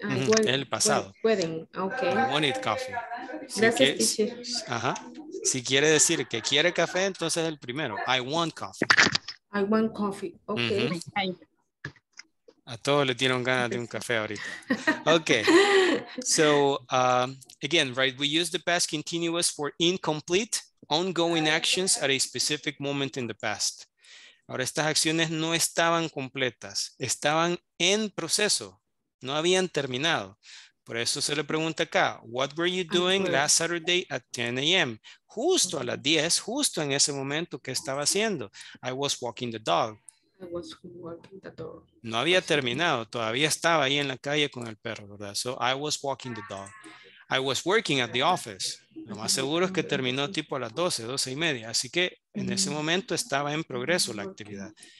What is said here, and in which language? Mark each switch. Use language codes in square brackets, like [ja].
[es] Want, el pasado. Pueden. Okay. [en] I wanted coffee. [es] Gracias, teacher. Ajá. Si quiere decir que quiere café, entonces el primero. [en] I want coffee. I want coffee. Okay. [es] A todos le dieron ganas de un café ahorita. Okay. [en] So, again, right, we use the past continuous for incomplete, ongoing actions at a specific moment in the past. [es] Ahora, estas acciones no estaban completas, estaban en proceso, no habían terminado. Por eso se le pregunta acá, [en] what were you doing last Saturday at 10 a.m.? [es] Justo a las 10, justo en ese momento, ¿qué estaba haciendo? [en] I was walking the dog. I was walking the dog. [es] No había terminado, todavía estaba ahí en la calle con el perro, ¿verdad? [en] So, I was walking the dog. I was working at the office. [es] Lo más seguro es que terminó tipo a las 12, 12 y media. Así que en ese momento estaba en progreso la actividad.